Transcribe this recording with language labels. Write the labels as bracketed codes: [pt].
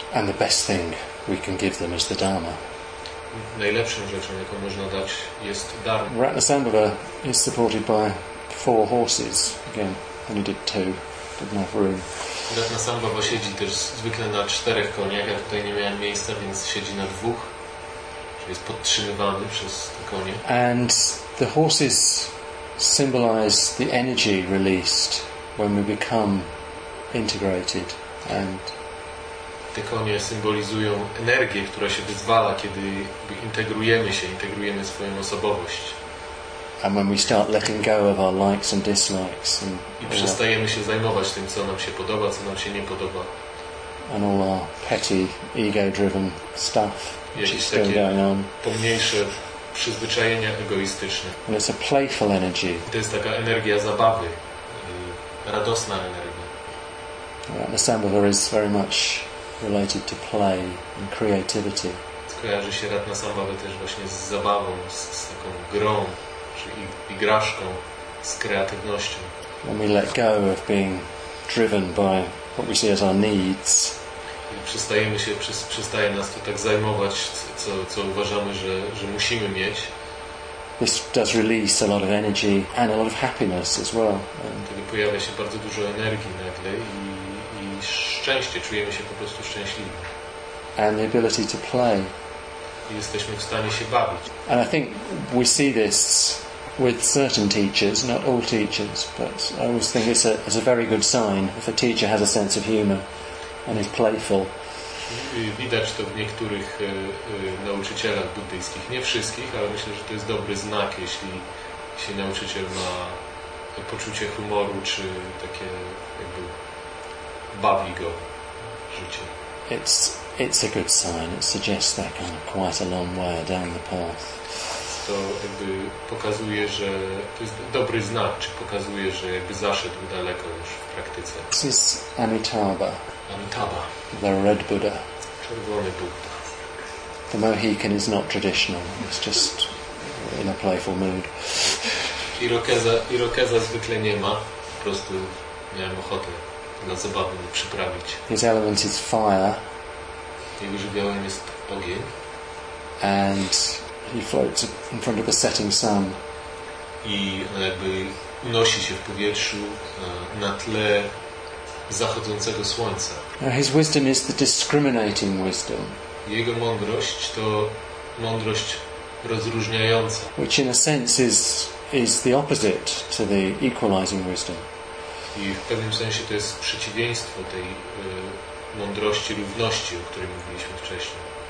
[en] And the best thing we can give them is the Dharma. [pl] Najlepszą rzeczą, jaką można dać, jest Dharma. [en] Ratnasambhava is supported by four horses. Again, only did two, didn't have room. [pl] Ratnasambhava siedzi też zwykle na czterech koniach, a tutaj nie miałem miejsca, więc siedzi na dwóch. jest podtrzymywany przez konie. [en] And the horses symbolize the energy released when we become integrated. And [pl] te konie symbolizują energię, która się wyzwala, kiedy integrujemy się, integrujemy swoją osobowość. [en] And when we start letting go of our likes and dislikes, and [pl] i przestajemy się zajmować tym, co nam się podoba, co nam się nie podoba. [en] And all our petty, ego-driven stuff, which is still going on. [pl] Pomniejsze przyzwyczajenia egoistyczne. [en] And it's a playful energy. [pl] To jest taka energia zabawy, radosna energia. [en] Right, the Sambhava is very much related to play and creativity. [pl] Kojarzy się Ratna Sambhava też właśnie z zabawą, z taką grą. Czyli igraszką z kreatywnością. [en] When we let go of being driven by what we see as our needs, [pl] przestajemy się, przestaje nas to tak zajmować, co uważamy, że musimy mieć. [en] This does release a lot of energy and a lot of happiness as well. [pl] Wtedy pojawia się bardzo dużo energii nagle i szczęście, czujemy się po prostu szczęśliwi. [en] And the ability to play. [pl] Jesteśmy w stanie się bawić. [en] And I think we see this with certain teachers, not all teachers, but I always think it's a very good sign if a teacher has a sense of humor and is playful. [pl] Widać to w niektórych nauczycielach buddyjskich, nie wszystkich, ale myślę, że to jest dobry znak, jeśli nauczyciel ma poczucie humoru, czy takie jakby bawi go życie. [en] It's a good sign. It suggests that kind of quite a long way down the path. [pl] To jakby pokazuje, że to jest dobry znak, czy pokazuje, że jakby zaszedł daleko już w praktyce. [en] This is Amitabha. Amitabha. The red Buddha. [pl] Czerwony Buddha. [en] The Mohican is not traditional. It's just in a playful mood. [pl] Irokeza zwykle nie ma. Po prostu miałem ochotę na zabawę przyprawić. [en] His element is fire. [pl] Jego żywiołem jest ogień. [en] And he floats in front of the setting sun. [pl] I on jakby unosi się w powietrzu na tle zachodzącego słońca. [en] His wisdom is the discriminating wisdom. [pl] Jego mądrość to mądrość rozróżniająca. [en] Which in a sense is the opposite to the equalizing wisdom. [pl] I w pewnym sensie to jest przeciwieństwo tej mądrości, równości, o której mówiliśmy wcześniej.